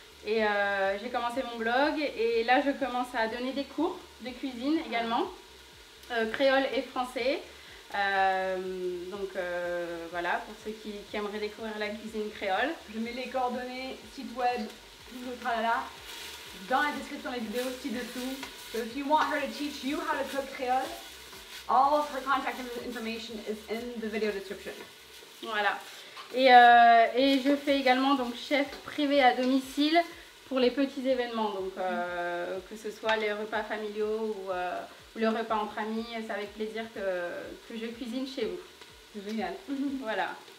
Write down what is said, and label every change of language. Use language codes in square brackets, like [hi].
[fr] Et j'ai commencé mon blog et là je commence à donner des cours de cuisine également. créole et français. Voilà, pour ceux qui aimeraient découvrir la cuisine créole. Je mets les coordonnées, site web, tout le tralala, dans la description des vidéos ci-dessous. [en] So if you want her to teach you how to cook créole, all of her contact information is in the video description. [fr] Voilà. Et je fais également donc chef privé à domicile pour les petits événements, donc que ce soit les repas familiaux ou le repas entre amis, c'est avec plaisir que je cuisine chez vous. C'est génial. Voilà.